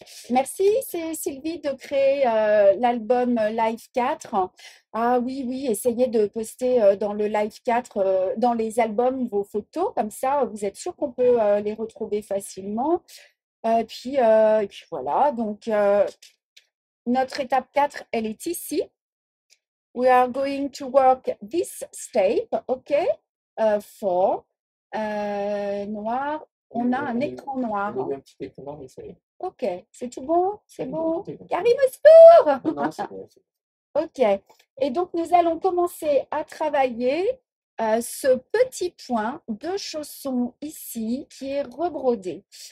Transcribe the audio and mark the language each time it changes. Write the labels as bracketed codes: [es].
[fr] Merci, c'est Sylvie de créer l'album Live 4. Ah oui, essayez de poster dans le Live 4, dans les albums, vos photos, comme ça vous êtes sûr qu'on peut les retrouver facilement. Et puis voilà, donc notre étape 4, elle est ici. [en] We are going to work this step, OK? [fr] Four, noir, on a un écran noir. Oui, un petit écran, mais ça y est. OK, c'est tout bon? C'est Non, bon? Karim, non, c'est bon, c'est au secours! OK, et donc nous allons commencer à travailler ce petit point de chausson ici qui est rebrodé.